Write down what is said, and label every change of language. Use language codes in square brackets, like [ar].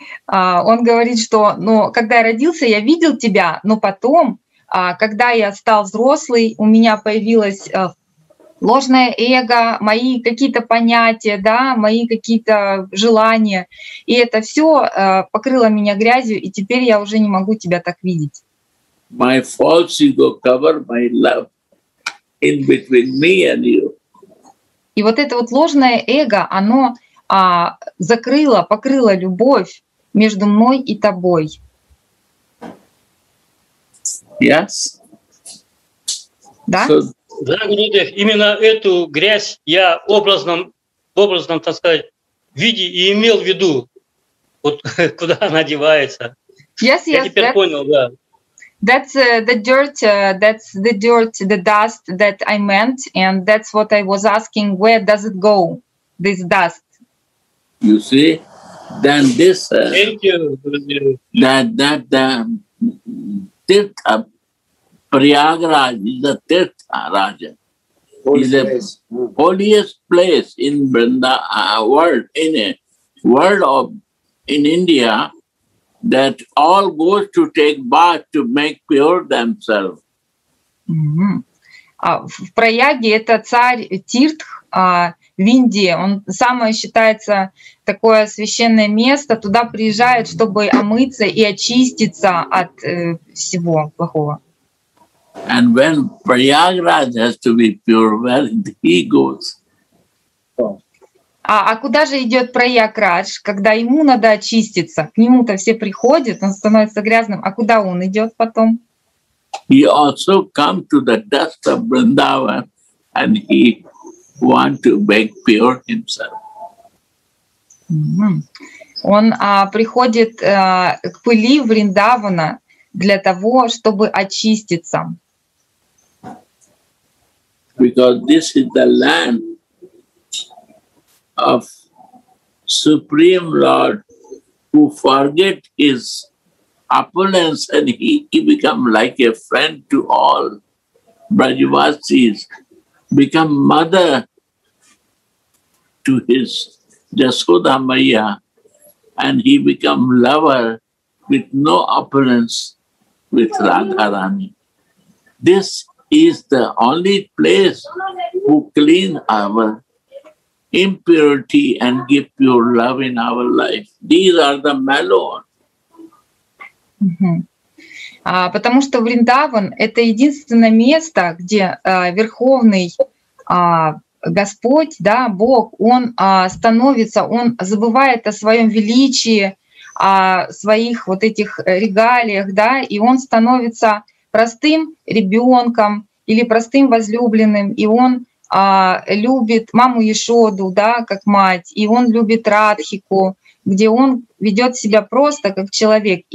[ru] Он говорит, что, ну, когда я родился, я видел тебя, но потом, когда я стал взрослый, у меня появилось ложное эго, мои какие-то понятия, да, мои какие-то желания, и это все покрыло меня грязью, и теперь я уже не могу тебя так видеть. [en] My false ego cover my love in between me and you. [ru] И вот это вот ложное эго, оно закрыло, покрыло любовь между мной и тобой. [en] Yes. [ru] Да? So, да, Гурудев, именно эту грязь я в образном, так сказать, виде и имел в виду, вот куда она девается. [en] Yes, [ru] я теперь понял, да. [en] That's the dirt, the dust that I meant, and that's what I was asking, where does it go, this dust? You see, then this, thank you. That Tirtha, Prayagraj is the Tirtha Raja, is the holiest place in world, in a world of, in India, that all go to take bath to make pure themselves. Mm-hmm. [ru] В Праяге это царь Тиртх в Индии. Он самое считается такое священное место. Туда приезжают, чтобы омыться и очиститься от всего плохого. [en] And when Prayagraj has to be pure, where he goes? [ru] А куда же идет Прайякрадж, когда ему надо очиститься? К нему-то все приходят, он становится грязным. А куда он идет потом? [en] He also come to the dust of Vrindavan, and he want to make pure himself. Mm-hmm. [ru] Он приходит к пыли Вриндавана для того, чтобы очиститься. [en] Because this is the land of Supreme Lord who forget his opulence and he become like a friend to all Brajavasis, become mother to his Yashoda Maya, and he become lover with no opulence with Radharani. This is the only place who clean our impurity and give pure love in our life. These are the mellow. [ru] Потому что Вриндаван — это единственное место, где Верховный Господь, да, Бог, Он становится, Он забывает о Своем величии, о Своих вот этих регалиях, да, и Он становится простым ребенком или простым возлюбленным, и Он любит маму Ешоду, да, как мать, и он любит Радхику, где он ведет себя просто как человек.